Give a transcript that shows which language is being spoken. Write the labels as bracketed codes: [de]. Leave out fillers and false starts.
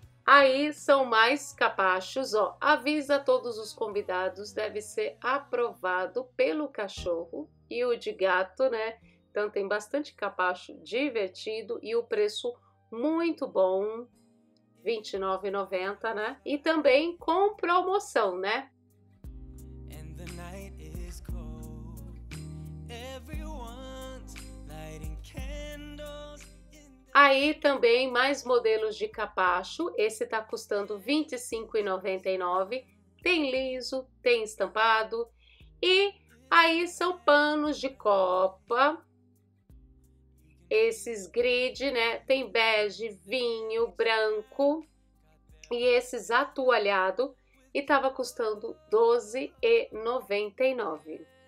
[pt] Aí são mais capachos, ó. Avisa todos os convidados, deve ser aprovado pelo cachorro e o de gato, né? Então tem bastante capacho divertido e o preço muito bom, R$ 29,90, né? E também com promoção, né? [en] And the night is cold. Everyone's lighting candles. [pt] Aí também mais modelos de capacho, esse tá custando R$ 25,99, tem liso, tem estampado. E aí são panos de copa, esses grid, né, tem bege, vinho, branco e esses atualhado, e tava custando R$ 12,99.